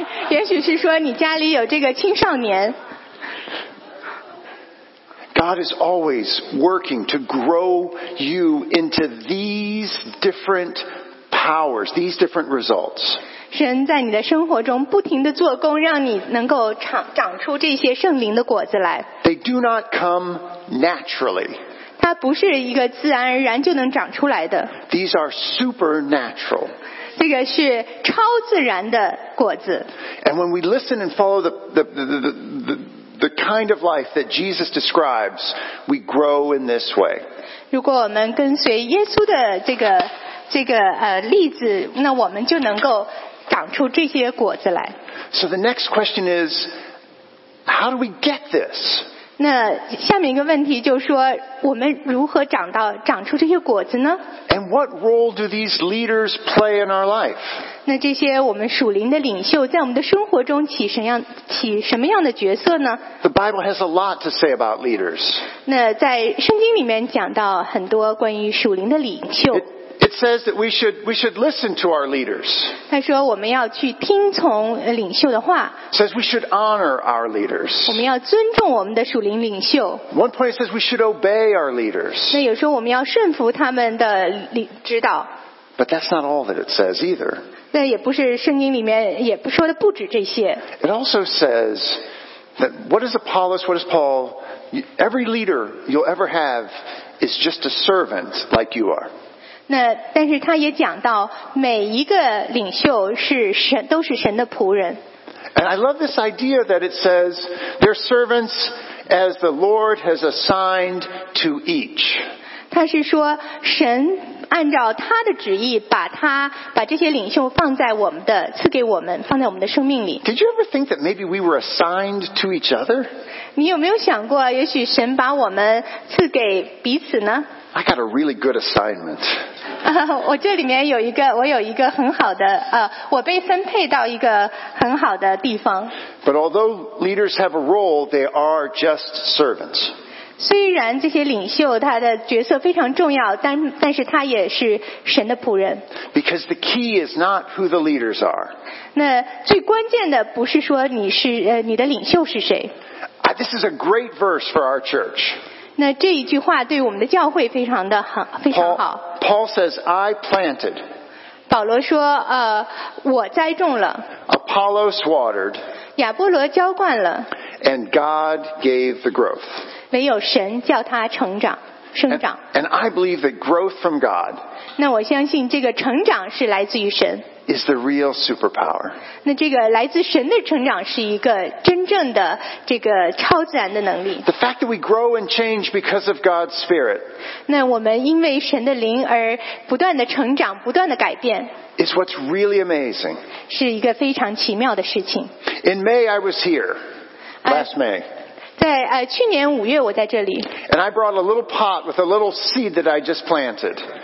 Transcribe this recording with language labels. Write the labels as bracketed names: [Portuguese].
[Chinese] 也许是说你家里有这个青少年。 [English] God is always working to grow you into these different powers, these different results. [Chinese] 神在你的生活中不停地做工，让你能够长出这些圣灵的果子来。 [English] They do not come naturally. [Chinese] 它不是一个自然而然就能长出来的。 [English] These are supernatural. [Chinese] 这个是超自然的果子。 [English] And when we listen and follow the kind of life that Jesus describes, we grow in this way. [Chinese] 如果我们跟随耶稣的这个例子，那我们就能够长出这些果子来。 [English] So the next question is, how do we get this? [Chinese] 那下面一个问题就是说，我们如何长到长出这些果子呢 [English] ？And what role do these leaders play in our life？ [Chinese] 那这些我们属灵的领袖在我们的生活中起什么样的角色呢 [English] ？The Bible has a lot to say about leaders。 [Chinese] 那在圣经里面讲到很多关于属灵的领袖。 [English] It says that we should listen to our leaders. [Chinese] 他说我们要去听从领袖的话。 [English] Says we should honor our leaders. [Chinese] 我们要尊重我们的属灵领袖。 [English] One point says we should obey our leaders. [Chinese] 那有时候我们要顺服他们的指导。 [English] But that's not all that it says either. [Chinese] 那也不是圣经里面也不说的不止这些。 [English] It also says that what is Apollos, what is Paul? Every leader you'll ever have is just a servant like you are. [Chinese] 那但是他也讲到每一个领袖是神都是神的仆人。 [English] And I love this idea that it says they're servants as the Lord has assigned to each. [Chinese] 他是说神按照他的旨意把这些领袖放在我们的赐给我们放在我们的生命里。 [English] Did you ever think that maybe we were assigned to each other? [Chinese] 你有没有想过也许神把我们赐给彼此呢？ [English] I got a really good assignment. [Chinese] 我这里面有一个，我有一个很好的，我被分配到一个很好的地方。 [English] But although leaders have a role, they are just servants. [Chinese] 虽然这些领袖他的角色非常重要，但是他也是神的仆人。 [English] Because the key is not who the leaders are. [Chinese] 那最关键的不是说你是你的领袖是谁。 [English] This is a great verse for our church. [Chinese] 那这一句话对我们的教会非常的好，非常好。 [English] Paul says, "I planted." [Chinese] 保罗说，我栽种了。 [English] Apollos watered. [Chinese] 亚波罗浇灌了。 [English] And God gave the growth. [Chinese] 唯有神叫他成长，生长。 [English] And I believe that growth from God. [Chinese] 那我相信这个成长是来自于神。 [English] Is the real superpower. [Chinese] 那这个来自神的成长是一个真正的这个超自然的能力。 [English] The fact that we grow and change because of God's Spirit. [Chinese] 那我们因为神的灵而不断的成长，不断的改变。 [English] Is what's really amazing. [Chinese] 是一个非常奇妙的事情。 [English] In May, I was here. Last May. [Chinese] 在去年五月我在这里。 [English] And I brought a little pot with a little seed that I just planted.